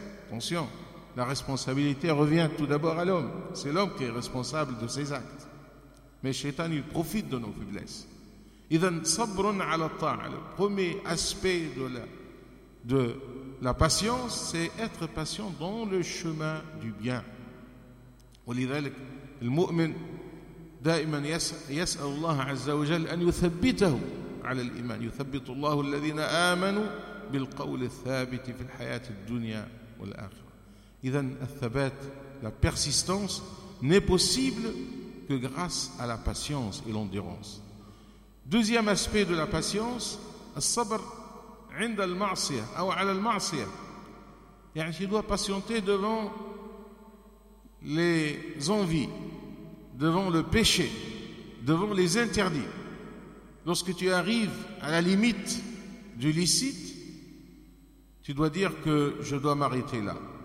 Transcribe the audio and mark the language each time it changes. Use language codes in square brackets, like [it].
[fr] Attention, la responsabilité revient tout d'abord à l'homme. C'est l'homme qui est responsable de ses actes. Mais Shaitan, il profite de nos faiblesses. [ar] Idan sabrun ala ta'a. [fr] Le premier aspect de la patience, c'est être patient dans le chemin du bien. [ar] ولذلك المؤمن دائما يسأل الله عز وجل أن يثبته على الإيمان. يثبت الله الذين آمنوا بالقول الثابت في الحياة الدنيا. إذن الثبات, [fr] la persistance n'est possible que grâce à la patience et l'endurance. Deuxième aspect de la patience, [ar] الصبر عند المعصية أو على المعصية. [fr] يعني tu dois patienter devant les envies, devant le péché, devant les interdits, lorsque tu arrives à la limite du licite, tu dois dire que je dois m'arrêter là.